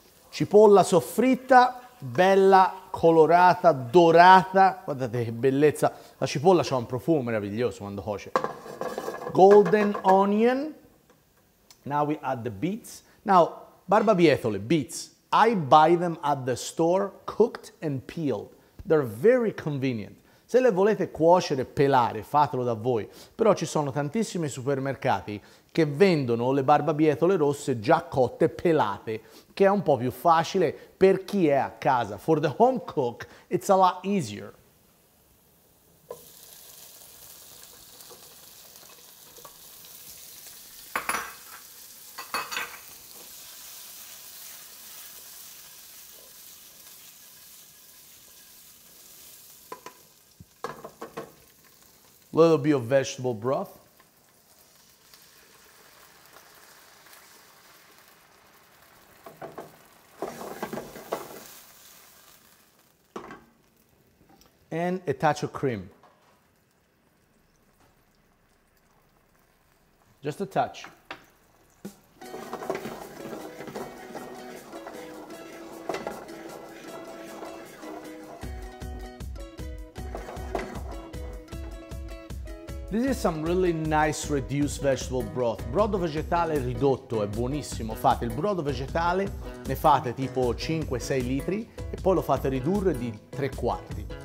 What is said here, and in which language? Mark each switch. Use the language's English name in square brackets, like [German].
[Italian] Cipolla soffritta, bella colorata, dorata. Guardate che bellezza. La cipolla c'ha un profumo meraviglioso quando cuoce. [English] Golden onion. Now we add the beets. Now, barbabietole, beets. I buy them at the store, cooked and peeled. They're very convenient. [Italian] Se le volete cuocere, pelare, fatelo da voi. Però ci sono tantissimi supermercati che vendono le barbabietole rosse già cotte, pelate, che è un po' più facile per chi è a casa. [English] For the home cook, it's a lot easier. A little bit of vegetable broth. And a touch of cream. Just a touch. This is some really nice reduced vegetable broth. [Italian] Brodo vegetale ridotto, è buonissimo. Fate il brodo vegetale, ne fate tipo 5-6 litri e poi lo fate ridurre di 3 quarti.